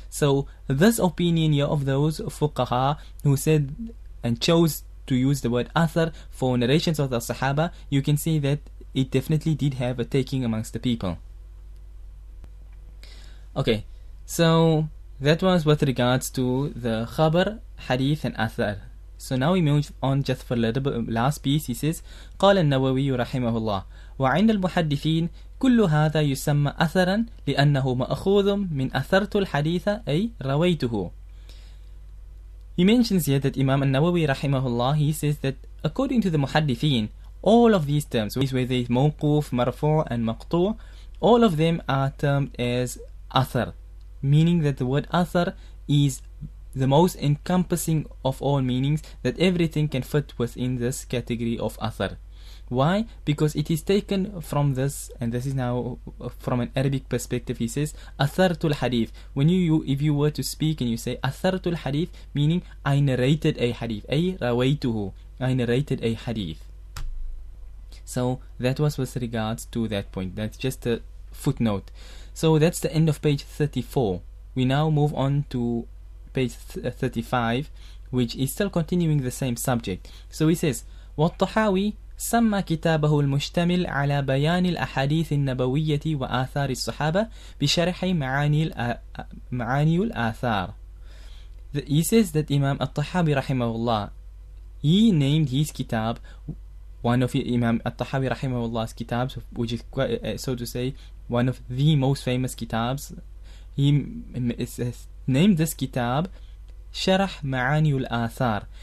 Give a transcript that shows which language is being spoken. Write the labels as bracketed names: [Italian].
[English] So this opinion here of those fuqaha who said and chose to use the word athar for narrations of the Sahaba, you can see that it definitely did have a taking amongst the people. Okay, so that was with regards to the khabar, hadith, and athar. So now we move on just for a little bit, last piece. He says, [Arabic] قال النووي رحمه الله وعند المحدثين كل هذا يسمى أثرا لأنه مأخوذ من أثرت الحديث أي رويته. [English] He mentions here that Imam al-Nawawi رحمه الله, he says that according to the muhaddithin, all of these terms, which is whether it's mawquf, marfu' and maqtu', all of them are termed as athar, meaning that the word athar is the most encompassing of all meanings, that everything can fit within this category of athar. Why? Because it is taken from this, and this is now from an Arabic perspective, he says, athartul hadith. When if you were to speak and you say athartul hadith, meaning I narrated a hadith, ay rawaytuhu, I narrated a hadith. So that was with regards to that point. That's just a footnote. So that's the end of page 34. We now move on to page 35, which is still continuing the same subject. So he says, [Arabic] والطحاوي سمى كتابه المشتمل على بيان الأحاديث النبوية وآثار الصحابة بشرح معاني الآثار. [English] He says that Imam al-Tahawi rahimahullah, he named his kitab, one of Imam al-Tahawi rahimahullah's kitabs, which is so to say one of the most famous kitabs, he named this kitab شرح معاني الآثار.